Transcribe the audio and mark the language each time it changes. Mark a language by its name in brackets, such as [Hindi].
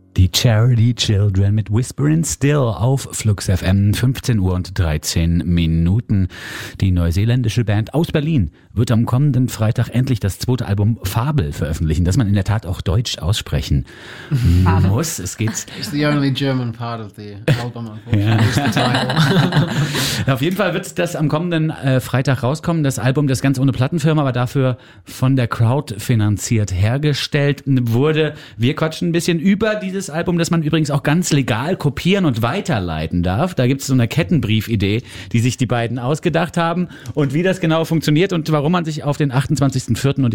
[German] Charity Children mit Whispering Still auf Flux FM, 15 Uhr und 13 Minuten. Die neuseeländische Band aus Berlin wird am kommenden Freitag endlich das zweite Album Fabel veröffentlichen, das man in der Tat auch deutsch aussprechen muss. Es geht. [English] It's the only German part of the album. [German] Ja. Auf jeden Fall wird das am kommenden Freitag rauskommen, das Album, das ganz ohne Plattenfirma, aber dafür von der Crowd finanziert hergestellt wurde. Wir quatschen ein bisschen über dieses Album, das man übrigens auch ganz legal kopieren und weiterleiten darf. Da gibt es so eine Kettenbrief-Idee, die sich die beiden ausgedacht haben und wie das genau funktioniert und warum man sich auf den 28.04.